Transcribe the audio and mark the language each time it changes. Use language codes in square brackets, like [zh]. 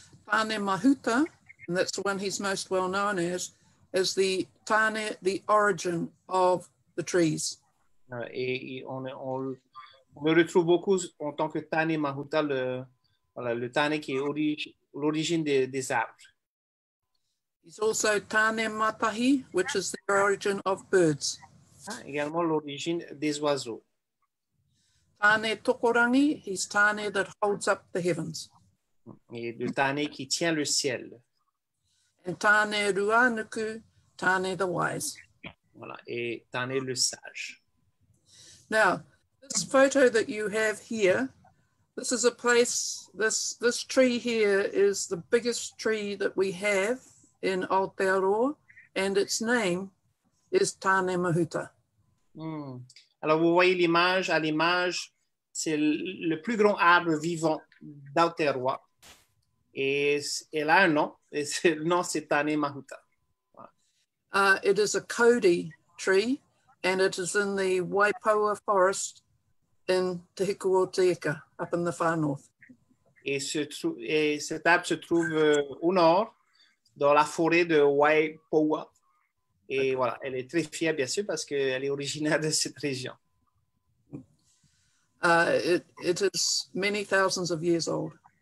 [en] Tane Mahuta, and that's the one he's most well known as, is the Tane, the origin of the trees. [fr] Et on le retrouve beaucoup en tant que Tane Mahuta, le Tane qui est l'origine des arbres. [en] He's also Tane Matahi, which is the origin of birds. [fr] Également l'origine des oiseaux. [en] Tane Tokorangi, he's Tane that holds up the heavens. [fr] Et le Tane qui tient le ciel. [en] And Tane Ruanuku, Tane the wise. [fr] Voilà, et Tane le sage. [en] Now, this photo that you have here, this is a place, this tree here is the biggest tree that we have in Aotearoa, and its name is Tane Mahuta. Mm. [fr] Alors vous voyez l'image, à l'image, c'est le plus grand arbre vivant d'Aotearoa. Et là, non, c'est Tane Mahuta. Voilà. [en] It is a Kauri tree, and it is in the Waipoua forest in Te Hiku o Te Eka, up in the far north. [fr] Et cet arbre se trouve au nord, dans la forêt de Waipoua. Et voilà, elle est très fière, bien sûr, parce qu'elle est originaire de cette région. [en] It is many thousands of years old.